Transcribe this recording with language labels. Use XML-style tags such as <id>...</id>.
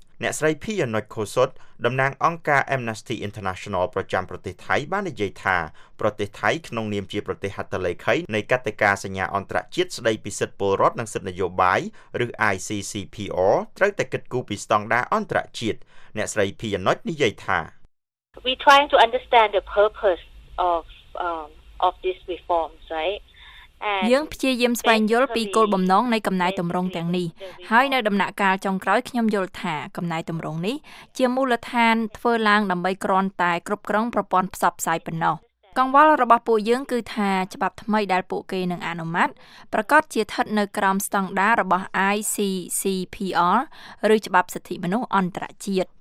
<km>អ្នកស្រីភីយ៉ានុចខូសុតតំណាងអង្គការ Amnesty International ប្រចាំប្រទេសថៃបាននិយាយថាប្រទេសថៃក្នុងនាមជាប្រទេសហត្ថលេខីនៃកតិកាសញ្ញាអន្តរជាតិស្តីពីសិទ្ធិពលរដ្ឋនិងសិទ្ធិនយោបាយឬ ICCPR ត្រូវតែគិតគូរពីស្តង់ដារអន្តរជាតិអ្នកស្រីភីយ៉ានុចនិយាយថា</km> <en>We trying to understand the purpose of of these reforms, right?</en> <km>យើងព្យាយាមស្វែងយល់ពីគោលបំណងនៃកំណែទម្រង់ទាំងនេះហើយនៅដំណាក់កាលចុងក្រោយខ្ញុំយល់ថាកំណែទម្រង់នេះជាមូលដ្ឋានធ្វើឡើងដើម្បីគ្រាន់តែគ្រប់គ្រងប្រព័ន្ធផ្សព្វផ្សាយប៉ុណ្ណោះកង្វល់របស់ពួកយើងគឺថាច្បាប់ថ្មីដែលពួកគេនឹងអនុម័តប្រកាសជាស្ថិតនៅក្រោមស្តង់ដាររបស់ ICCPR ឬច្បាប់សិទ្ធិមនុស្សអន្តរជាតិ</km>